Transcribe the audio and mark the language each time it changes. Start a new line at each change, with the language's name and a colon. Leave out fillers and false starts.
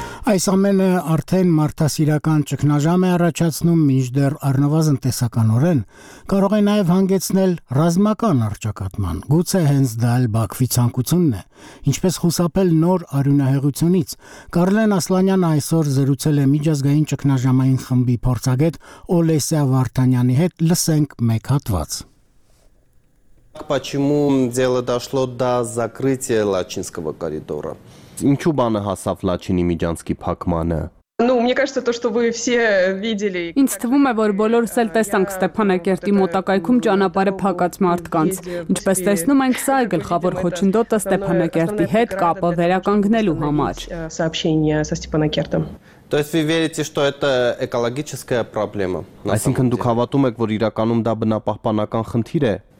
Armenian: Այս ամենը արդեն մարդասիրական ճգնաժամ է առաջացնում, մինչդեռ առնվազն տեսականորեն կարող է նաև հանգեցնել ռազմական առճակատման, գուցե հենց դա էլ Բաքվի ցանկությունն է, ինչպես խուսափել նոր արյունահեղությունից, Կարլեն Ասլանյանը այսօր զրուցել է միջազգային ճգնաժամային խմբի փորձագետ Օլեսիա Վարդանյանի հետ, լսենք մեկ հատված.
Russian: Почему дело дошло до закрытия Лачинского коридора?
Armenian: Ինչու բանը հասավ Լաչինի միջանցքի փակմանը?
Russian: Ну, мне кажется, то, что вы все видели.
Armenian: Ինձ թվում է, որ բոլորս էլ տեսանք Ստեփանակերտի մոտակայքում ճանապարհը փակած մարդկանց։ Ինչպես տեսնում ենք, սա է գլխավոր խոչընդոտը Ստեփանակերտի հետ կապը վերականգնելու համար։
Russian: Сообщение со Степанакертом. То есть вы верите, что это экологическая проблема?
Armenian: Այսինքն դուք հավատում եք, որ իրականում դա բնապահպանական խնդիր է?